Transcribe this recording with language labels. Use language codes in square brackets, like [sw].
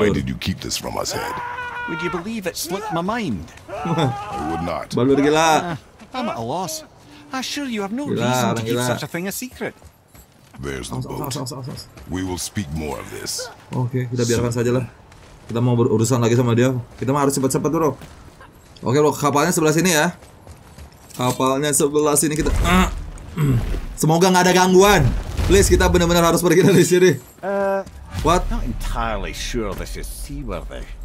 [en] Why did you keep this from us, Ed? Would you believe it slipped my mind? I would not. Baldur [id] gila. [en] I'm at a loss. I assure you, have no reason to keep such a thing a secret. There's the boat. We will speak more of this. [id] Oke, kita biarkan saja lah. Kita mau berurusan lagi sama dia. Kita mah harus cepat-cepat bro. Oke bro, kapalnya sebelah sini ya. Kapalnya sebelah sini kita. Semoga nggak ada gangguan. Please, kita benar-benar harus pergi dari sini. [en] What? Not entirely sure this is seaworthy.